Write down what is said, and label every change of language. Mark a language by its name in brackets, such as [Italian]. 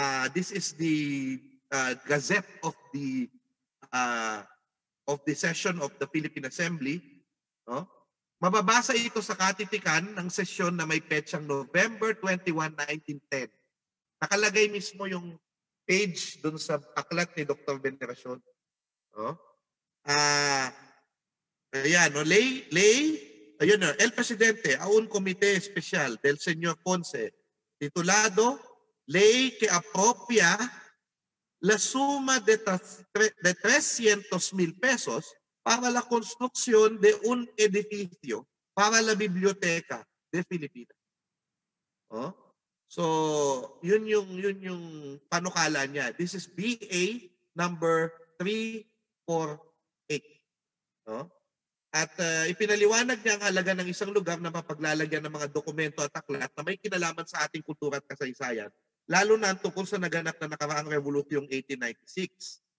[English] This is the gazette of the session of the Philippine Assembly. No? [Filipino] Mababasa ito sa katitikan ng sesyon na may petsang November 21, 1910. Nakalagay mismo yung page doon sa aklat ni Dr. Veneracion. No? Ayan, no? [Spanish] Lay, [Filipino] ayun na, [Spanish] El Presidente, a un comité especial del señor Ponce, titulado Ley que apropia la suma de 300 mil pesos para la construcción de un edificio para la biblioteca de Filipinas. Oh? [Filipino] So, yun yung panukala niya. [English] This is BA number 348. Oh? [Filipino] At ipinaliwanag niya ang halaga ng isang lugar na mapaglalagyan ng mga dokumento at aklat na may kinalaman sa ating kultura at kasaysayan, lalo na ang tungkol sa naganap na nakaraang revolusyong 1896.